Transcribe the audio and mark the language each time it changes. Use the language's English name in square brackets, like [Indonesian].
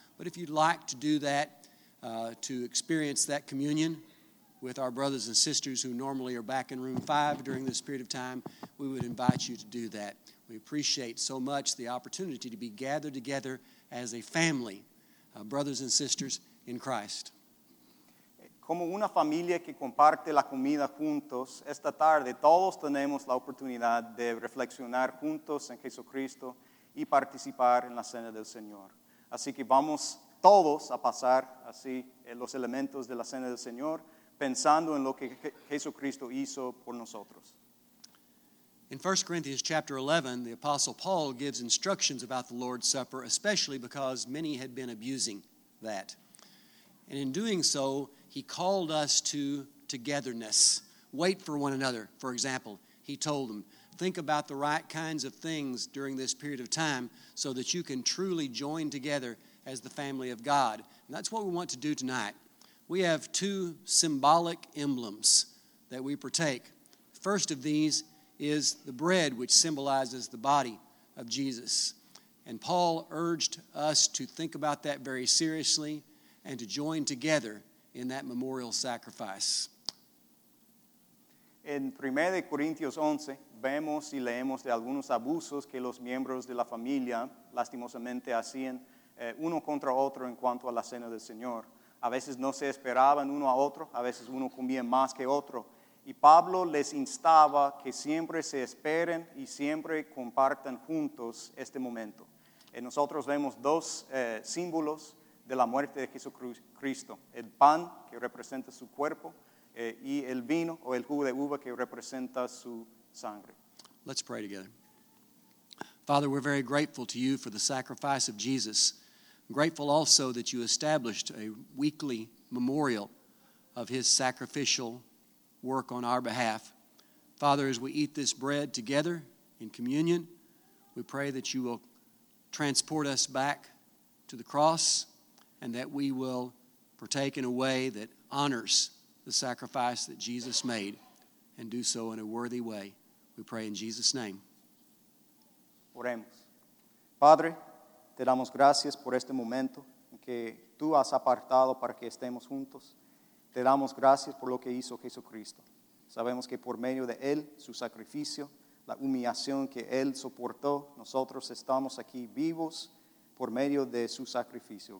[English] But if you'd like to do that, to experience that communion with our brothers and sisters who normally are back in room 5 during this period of time, we would invite you to do that. We appreciate so much the opportunity to be gathered together as a family, brothers and sisters in Christ. [Spanish] Como una familia que comparte la comida juntos, esta tarde todos tenemos la oportunidad de reflexionar juntos en Jesucristo y participar en la cena del Señor. Así que vamos todos a pasar así los elementos de la cena del Señor, pensando en lo que Jesucristo hizo por nosotros. [English] In 1 Corinthians chapter 11, the Apostle Paul gives instructions about the Lord's Supper, especially because many had been abusing that. And in doing so, he called us to togetherness. Wait for one another, for example, he told them. Think about the right kinds of things during this period of time so that you can truly join together as the family of God. And that's what we want to do tonight. We have two symbolic emblems that we partake. First of these is the bread, which symbolizes the body of Jesus. And Paul urged us to think about that very seriously and to join together in that memorial sacrifice. [Spanish] En 1 Corintios 11, vemos y leemos de algunos abusos que los miembros de la familia lastimosamente hacían uno contra otro en cuanto a la cena del Señor. A veces no se esperaban uno a otro, a veces uno comía más que otro. Y Pablo les instaba que siempre se esperen y siempre compartan juntos este momento. Nosotros vemos dos símbolos de la muerte de Jesucristo, el pan que representa su cuerpo y el vino o el jugo de uva que representa su sangre. [English] Let's pray together. Father, we're very grateful to you for the sacrifice of Jesus. Grateful also that you established a weekly memorial of his sacrificial work on our behalf. Father, as we eat this bread together in communion, we pray that you will transport us back to the cross, and that we will partake in a way that honors the sacrifice that Jesus made and do so in a worthy way. We pray in Jesus' name. [Spanish] Oremos. Padre, te damos gracias por este momento en que tú has apartado para que estemos juntos. Te damos gracias por lo que hizo Jesucristo. Sabemos que por medio de Él, su sacrificio, la humillación que Él soportó, nosotros estamos aquí vivos por medio de su sacrificio.